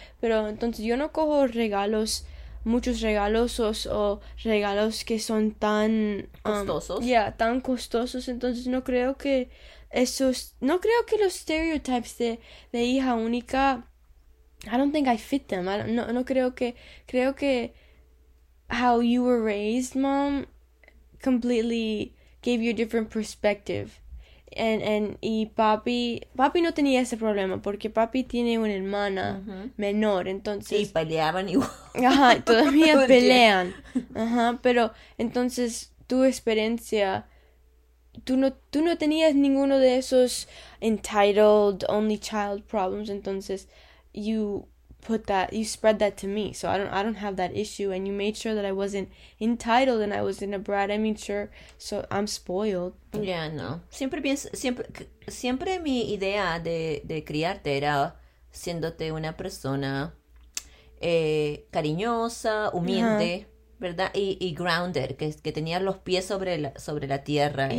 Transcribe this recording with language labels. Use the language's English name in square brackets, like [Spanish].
[Spanish] Pero entonces yo no cojo regalos, muchos regalos o regalos que son tan, Costosos. tan costosos. Entonces no creo que esos, no creo que los stereotypes de hija única. [English] I don't think I fit them. I don't, [Spanish] no, no creo que. Creo que. [English] How you were raised, mom, completely gave you a different perspective. [Spanish] Y papi no tenía ese problema porque papi tiene una hermana menor. Sí, Entonces. peleaban igual. Ajá, todavía ¿Por qué? pelean. Ajá, pero entonces tu experiencia. Tú no tenías ninguno de esos [English] entitled only child problems. [Spanish] Entonces. [English] You spread that to me, so I don't have that issue, and you made sure that I wasn't entitled and I wasn't a brat. I mean, sure, so I'm spoiled, but [Spanish] Ya no. Siempre pienso, siempre mi idea de criarte era siéndote una persona cariñosa, humilde, ¿verdad? Y grounded, que tenía los pies sobre la tierra.